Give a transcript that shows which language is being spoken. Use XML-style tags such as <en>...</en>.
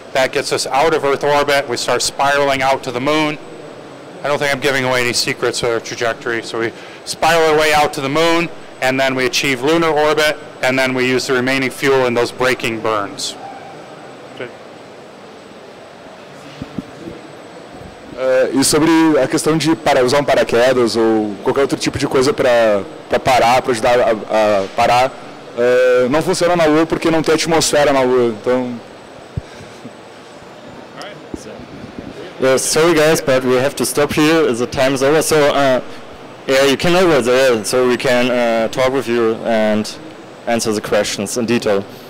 <en>That gets us out of Earth orbit. We start spiraling out to the moon. I don't think I'm giving away any secrets or trajectory. So we spiral our way out to the moon, and then we achieve lunar orbit, and then we use the remaining fuel in those braking burns.</en> <pt>E sobre a questão de usar um paraquedas ou qualquer outro tipo de coisa para parar, para ajudar a parar, não funciona na Lua porque não tem atmosfera na Lua. Então</pt> <en>Yeah, sorry guys, but we have to stop here. The time is over. So yeah, you can over there, so we can talk with you and answer the questions in detail.</en>